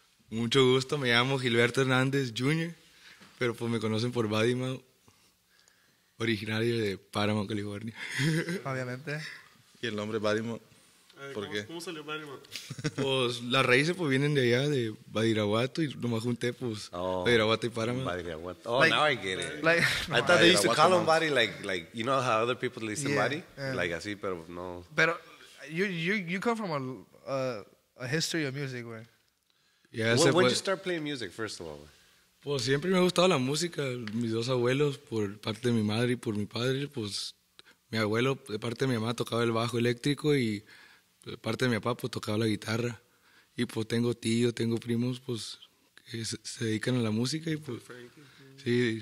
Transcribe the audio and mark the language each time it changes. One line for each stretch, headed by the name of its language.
Spanish: Mucho gusto, me llamo Gilberto Hernández Jr., pero pues me conocen por Batty Man. Originario de Páramo, California. Obviamente. ¿Y el nombre Badimo? ¿Por cómo, qué? ¿Cómo salió Badimo? Pues las raíces pues vienen de allá, de Badiraguato, y nomás junté pues Badiraguato y Páramo.
English: Badiraguato. Oh, like, now I get it. Like, I thought they used to call him Badi, like, you know how other people listen to Badi?
Spanish: Like así, pero no.
English: Pero you come from a history of music, güey. Yeah, when did you start playing music, first of all, güey?
Spanish: Pues siempre me ha gustado la música. Mis dos abuelos, por parte de mi madre y por mi padre, pues mi abuelo, de parte de mi mamá, tocaba el bajo eléctrico y de parte de mi papá, pues tocaba la guitarra. Y pues tengo tíos, tengo primos, pues que se dedican a la música. Y pues Frankie.